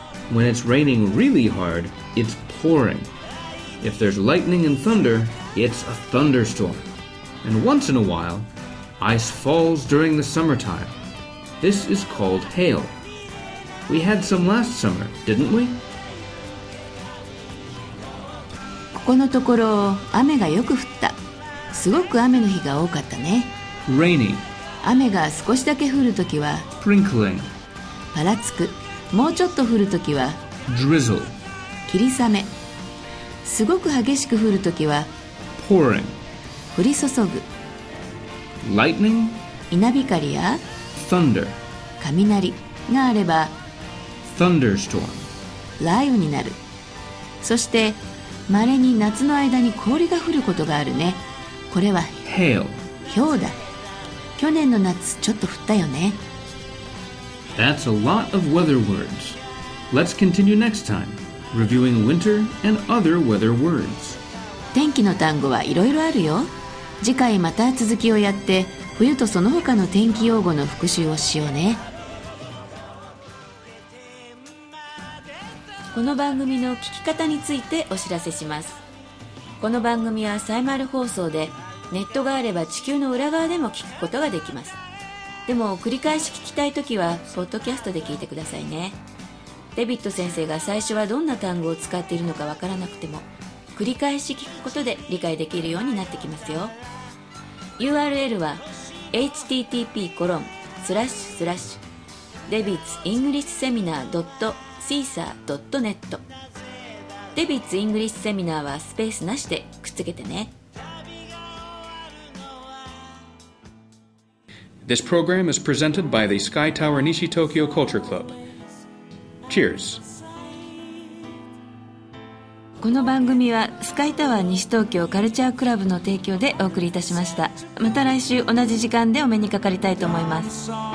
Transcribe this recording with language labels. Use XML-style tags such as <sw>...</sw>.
<en>When it's raining really hard, it'sPouring. If there's lightning and thunder, it's a thunderstorm. And once in a while, ice falls during the summertime. This is called hail. We had some last summer, didn't we?</en> <ja>ここのところ雨がよく降った。すごく雨の日が多かったね。</ja> <en>Rainy.</en> <ja>雨が少しだけ降るときは</ja> <en>Sprinkling.</en> <ja>パラつく。もうちょっと降るときは</ja> <en>Drizzle.</en> <ja>霧雨。すごく激しく降るときは</ja> <en>Pouring.</en> <ja>降り注ぐ。</ja> <en>Lightning.</en> <ja>稲光や</ja> <en>Thunder.</en> <ja>雷があれば</ja> <en>Thunderstorm.</en> <ja>雷雨になる。そして稀に夏の間に氷が降ることがあるね。これは</ja> <en>Hail。</en> <ja>氷だ。去年の夏ちょっと降ったよね。</ja> <en>That's a lot of weather words. Let's continue next time, reviewing winter and other weather words.</en> <ja>天気の単語はいろいろあるよ。次回また続きをやって、冬とその他の天気用語の復習をしようね。この番組の聞き方についてお知らせします。この番組はサイマル放送で、ネットがあれば地球の裏側でも聞くことができます。でも繰り返し聞きたいときはポッドキャストで聞いてくださいね。デビッド先生が最初はどんな単語を使っているのかわからなくても、繰り返し聞くことで理解できるようになってきますよ。 URL は http://debitsenglishseminar.caesar.net。デビッツイングリッシュセミナーはスペースなしでくっつけてね。</ja> <en>This program is presented by the Sky Tower Nishi Tokyo Culture Club. Cheers.</en> <ja>この番組はスカイタワー西東京カルチャークラブの提供でお送りいたしました。また来週同じ時間でお目にかかりたいと思います。</ja>